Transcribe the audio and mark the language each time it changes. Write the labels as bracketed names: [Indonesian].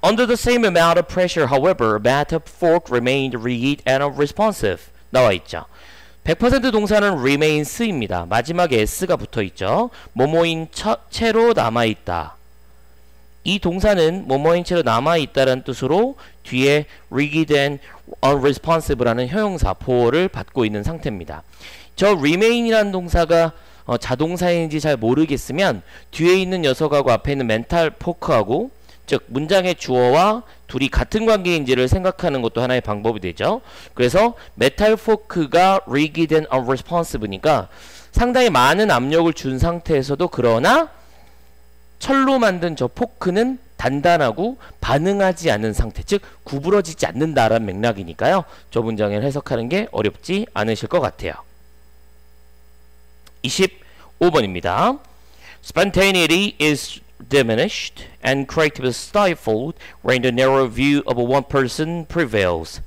[English] Under the same amount of pressure, however, matter fork remained rigid and unresponsive. [Korean] 나와있죠. 100% 동사는 remains입니다. 마지막에 s가 붙어있죠. 뭐뭐인 채로 남아있다. 이 동사는 뭐뭐인 채로 남아있다라는 뜻으로 뒤에 rigid and unresponsive 라는 형용사 보호를 받고 있는 상태입니다. 저 remain이라는 동사가 자동사인지 잘 모르겠으면 뒤에 있는 녀석하고 앞에 있는 멘탈 포크하고 즉 문장의 주어와 둘이 같은 관계인지를 생각하는 것도 하나의 방법이 되죠. 그래서 메탈 포크가 rigid and unresponsive 니까 상당히 많은 압력을 준 상태에서도 그러나 철로 만든 저 포크는 단단하고 반응하지 않은 상태, 즉 구부러지지 않는다라는 맥락이니까요. 저 문장을 해석하는 게 어렵지 않으실 것 같아요. 25번입니다. [English] Spontaneity is diminished and creativity is stifled when the narrow view of one person prevails.